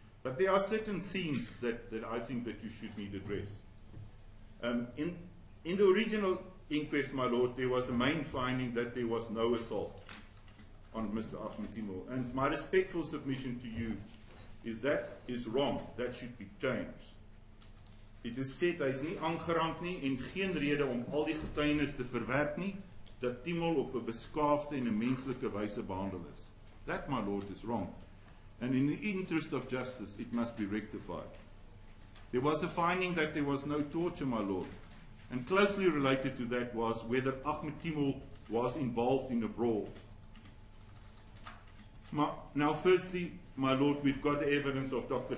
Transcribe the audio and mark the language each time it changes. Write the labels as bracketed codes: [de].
[en] But there are certain themes that I think that you should need address. In the original inquest, my lord, there was a main finding that there was no assault on Mr. Ahmed Timol. And my respectful submission to you is that is wrong. That should be changed. [af] It is said hy is nie aangerand nie en geen rede om al die getuienis te verwerp nie dat Timol op 'n beskaafde en 'n menslike wyse behandel is. [en] That, my lord, is wrong. And in the interest of justice, it must be rectified. There was a finding that there was no torture, my lord. And closely related to that was whether Ahmed Timol was involved in a brawl. Now, firstly, my lord, we've got the evidence of Dr.